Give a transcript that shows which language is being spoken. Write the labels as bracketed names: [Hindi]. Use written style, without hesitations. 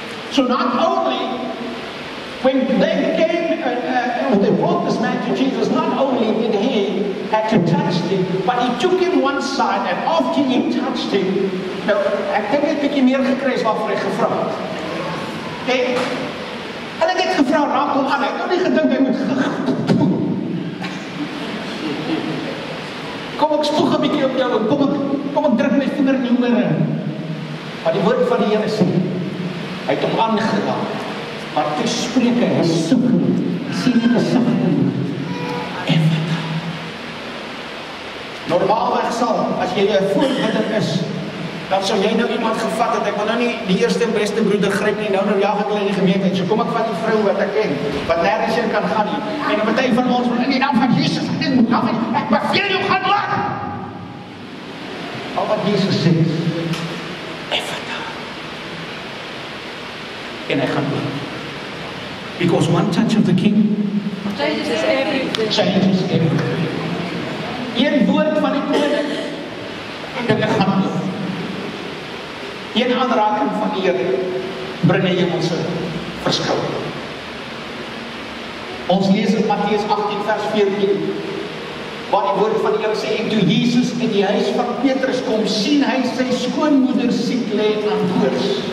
[English] So not only when they came with they brought this man to Jesus, not only did he had to touch him, but he took him one side and after he touched him, [Afrikaans] nou, ek dink het bietjie meer gekry as waarvoor hy gevra het. En hulle het gevra, raak hom aan, hy het nou nie gedink hy moet kom ek spoeg 'n bietjie op jou, kom ek druk my vinger in die oor in. Maar die woord van die Here sê, hy het hom aangeraak. Maar toe spreek hy, hy soek nie, sien nie gesig nie. Normaalweg sal, as jy jou voorbidder is, dan sal jy nou iemand gevat het, ek wil nou nie die eerste en beste broeder gryp nie, nou jag ek hulle in die gemeenskap, so kom ek vat die vrou wat ek ken, wat nergens hier kan gaan nie, en dan party van ons, in die naam van Jesus, ek beveel jou gaan maak! Al wat Jesus sê, en hy gaan maak. [English] Because one touch of the king changes everything. [Afrikaans] Een woord van die koning en dinge gaan doen. Een aanraking van die Here bring 'n hemelse verskil. Ons lees in Matteus 18 vers 14 waar die woord van die Here sê, en toe Jesus in die huis van Petrus kom, sien hy sy skoonmoeder siek lê aan koors.